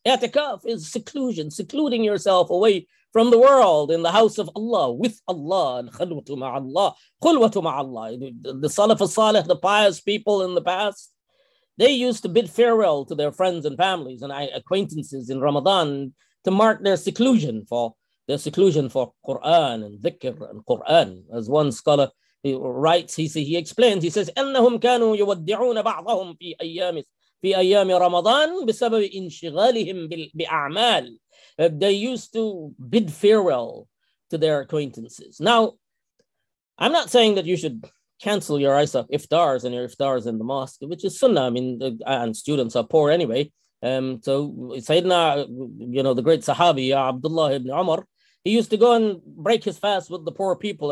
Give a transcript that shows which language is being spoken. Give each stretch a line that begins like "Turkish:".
English: I'tikaf is seclusion, secluding yourself away from the world in the house of Allah, with Allah, and khulwatu ma'allah, khulwatu ma'allah. The Salaf al-Salih, the pious people in the past, they used to bid farewell to their friends and families and acquaintances in Ramadan to mark their seclusion for Quran and dhikr and Quran. As one scholar he explains,
Arabic: أَنَّهُمْ كَانُوا يُوَدِّعُونَ بَعْضَهُمْ فِي أَيَّامِ رَمَضَانِ بِسَبَبِ إِنْشِغَالِهِمْ بِأَعْمَالِ.
English: They used to bid farewell to their acquaintances. Now, I'm not saying that you should cancel your ISAF iftars and your iftars in the mosque, which is sunnah, and students are poor anyway. So Sayyidina, the great Sahabi, Abdullah ibn Umar, he used to go and break his fast with the poor people.